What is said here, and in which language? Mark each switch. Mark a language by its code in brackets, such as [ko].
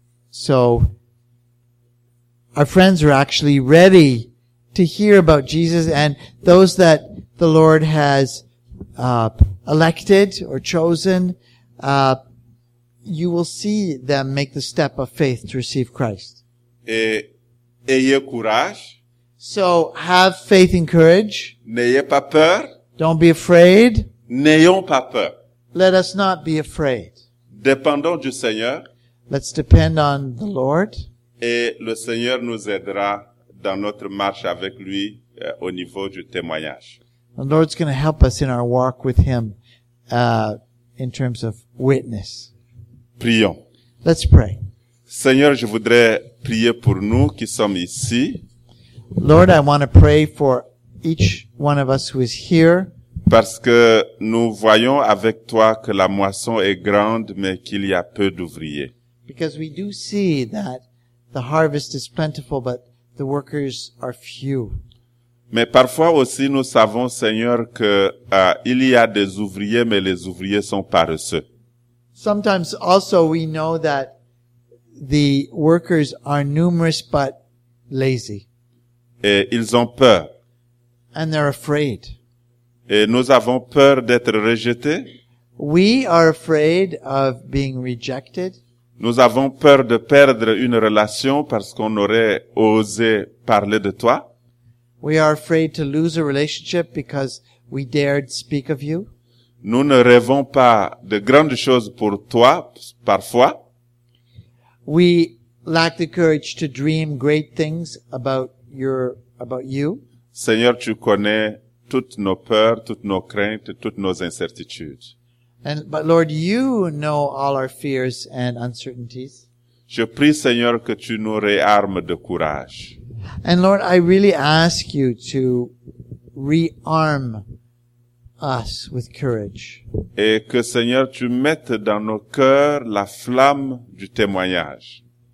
[en] So, our friends are actually ready to hear about Jesus, and those that the Lord has elected or chosen, you will see them make the step of faith to receive Christ. [fr] Ayez courage. [en] So have faith and courage. [fr] N'ayez pas peur. [en] Don't be afraid. [fr] N'ayons pas peur. [en] Let us not be afraid. [fr] Dépendons du Seigneur. [en] Let's depend on the Lord. [fr] Et le Seigneur nous aidera dans notre marche avec lui au niveau du témoignage. [en] The Lord's going to help us in our walk with him in terms of witness. [fr] Prions. [en] Let's pray. [fr] Seigneur, je voudrais prier pour nous qui sommes ici. [en] Lord, I want to pray for each one of us who is here. [fr] Parce que nous voyons avec toi que la moisson est grande, mais qu'il y a peu d'ouvriers. [en] Because we do see that the harvest is plentiful, but the workers are few. [fr] Mais parfois aussi nous savons, Seigneur, que il y a des ouvriers, mais les ouvriers sont paresseux. [en] Sometimes also we know that the workers are numerous but lazy. [fr] Et ils ont peur. [en] And they're afraid. [fr] Et nous avons peur d'être rejetés. [en] We are afraid of being rejected. [fr] Nous avons peur de perdre une relation parce qu'on aurait osé parler de toi. [en] We are afraid to lose a relationship because we dared speak of you. [fr] Nous ne rêvons pas de grandes choses pour toi, parfois. [en] We lack the courage to dream great things about you. [fr] Seigneur, tu connais toutes nos peurs, toutes nos craintes, toutes nos incertitudes. [en] But Lord, you know all our fears and uncertainties. [fr] Je prie, Seigneur, que tu nous réarmes de courage. [en] And Lord, I really ask you to rearm us with courage. [fr] Et que, Seigneur, tu mettes dans nos cœurs la flamme du témoignage.